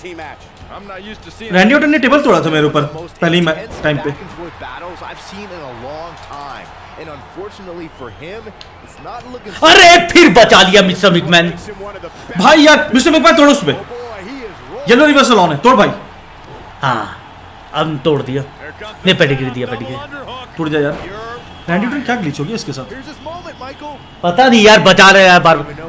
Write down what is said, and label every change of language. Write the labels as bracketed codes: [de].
[hi] Randy Orton ने table तोड़ा था मेरे ऊपर पहले ही टाइम पे। [en] And unfortunately for him, it's not looking. [hi] अरे फिर बचा लिया मिस्टर मैकमैन। भाई यार मिस्टर मैकमैन तोड़ो उसपे। येलो रिवर्सल ऑन है, तोड़ भाई। हाँ अब तोड़ दिया, नहीं पेडिग्री दिया, पेडिग्री टूट जा यार। रैंडी ऑर्टन क्या ग्लिच हो गया इसके साथ? पता नहीं यार, बचा रहे यार बार।